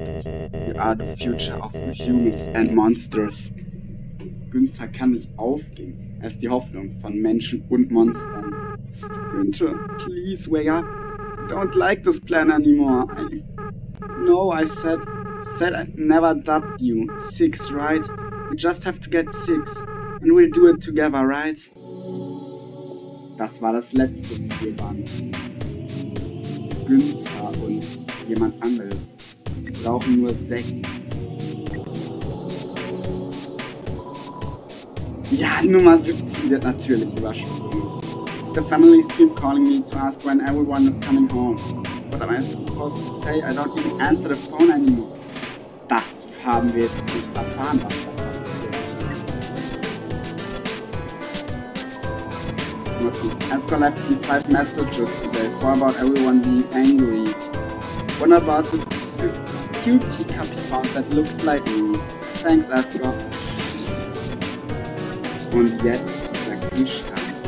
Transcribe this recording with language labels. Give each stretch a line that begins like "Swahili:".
English: You are the future of humans and monsters.
German: Günther kann nicht aufgeben. Er ist die Hoffnung von Menschen und Monstern.
English: Günther, please wake up. I don't like this plan anymore. I said I'd never doubt you. Six, right? We just have to get six. And we'll do it together, right?
German: Das war das letzte Videoband. Günther und jemand anderes. Sie brauchen nur sechs. Ja, Nummer 17 wird natürlich übersprungen.
English: The families keep calling me to ask when everyone is coming home. What am I supposed to say? I don't even answer the phone anymore.
German: Das haben wir jetzt nicht erfahren, was da passiert ist.
English: Esco left me 5 messages today. What about everyone being angry? What about this cute teacup he found that looks like me? Thanks, Esco.
German: Und jetzt der Kühlschrank.